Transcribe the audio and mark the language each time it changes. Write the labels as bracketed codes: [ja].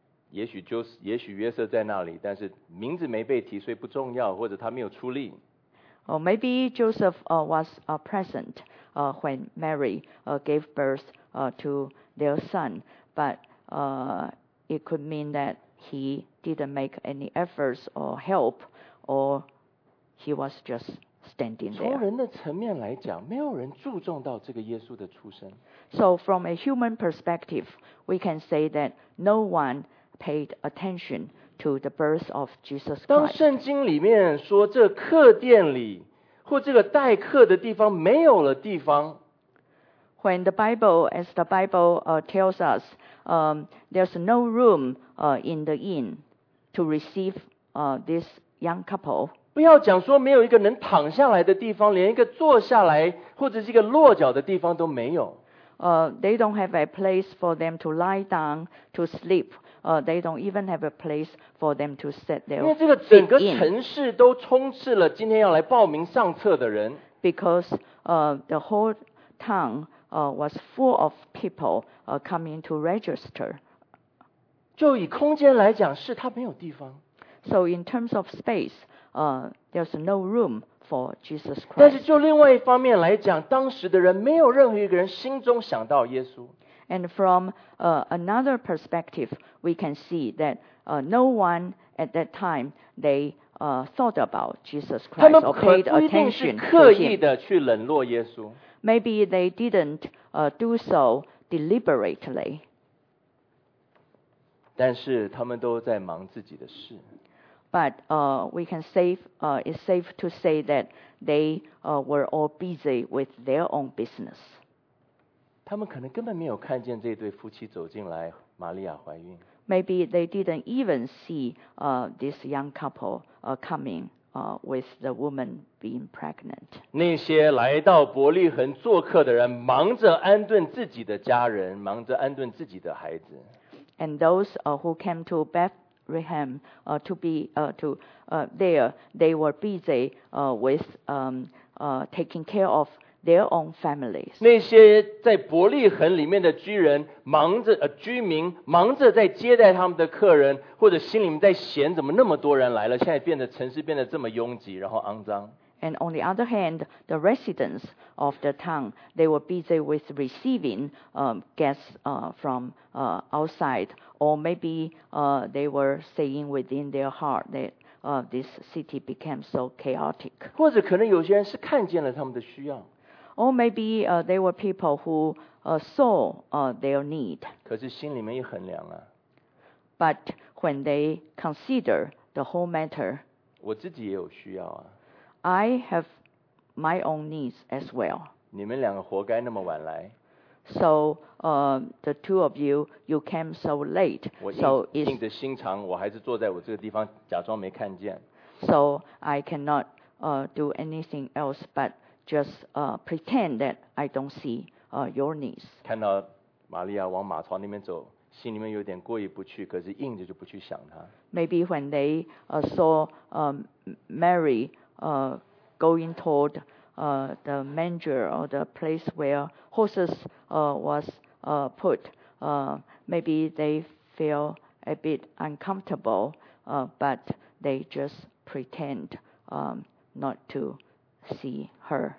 [zh] 也许约瑟在那里，但是名字没被提，所以不重要，或者他没有出力。 [en] Or maybe Joseph was present when Mary gave birth to their son, but it could mean that he didn't make any efforts or help, or he was just standing there. [zh] 从人的层面来讲，没有人注重到这个耶稣的出生。 [en] So from a human perspective, we can say that no one paid attention to the birth of Jesus Christ. [zh] 当圣经里面说这客店里或这个待客的地方没有了地方。 [en] When the Bible, as the Bible tells us, there's no room in the inn to receive this young couple. [zh] 不要讲说没有一个能躺下来的地方，连一个坐下来或者是一个落脚的地方都没有。 [en] They don't have a place for them to lie down to sleep. They don't even have a place for them to sit there. [zh] 因为这个整个城市都充斥了今天要来报名上册的人。 [en] Because the whole town was full of people coming to register. [zh] 就以空间来讲，是他没有地方。 [en] So in terms of space, there's no room. For Jesus Christ. [zh] 但是就另外一方面来讲，当时的人没有任何一个人心中想到耶稣。 [en] And from another perspective, we can see that no one at that time they thought about Jesus Christ or paid attention to him. [zh] 他们不一定是刻意的去冷落耶稣。 [en] Maybe they didn't do so deliberately. [zh] 但是他们都在忙自己的事。 [en] But we can safe, it's safe to say that they were all busy with their own business. [zh] 他们可能根本没有看见这对夫妻走进来，玛利亚怀孕。 [en] Maybe they didn't even see this young couple coming with the woman being pregnant. [zh] 那些来到伯利恒做客的人，忙着安顿自己的家人，忙着安顿自己的孩子。 [en] And those who came to Bethlehem there they were busy with taking care of their own families. [zh] 那些在伯利恒里面的居人忙着居民忙着在接待他们的客人，或者心里面在嫌怎么那么多人来了，现在变得城市变得这么拥挤，然后肮脏。 [en] And on the other hand, the residents of the town, they were busy with receiving guests from outside. Or maybe they were saying within their heart that this city became so chaotic. [zh] 或者可能有些人是看见了他们的需要。 [en] Or maybe there were people who saw their need. [zh] 可是心里面也衡量啊。 [en] But when they consider the whole matter, [zh] 我自己也有需要啊。 [en] I have my own needs as well. [zh] 你们两个活该那么晚来。 [en] So, the two of you, you came so late. [zh] 我硬着心肠，我还是坐在我这个地方，假装没看见。 [en] So I cannot do anything else but just pretend that I don't see your needs. [zh] 看到玛利亚往马槽那边走，心里面有点过意不去，可是硬着就不去想他。 [en] Maybe when they saw Mary going toward the manger or the place where horses was put, maybe they feel a bit uncomfortable, but they just pretend not to see her.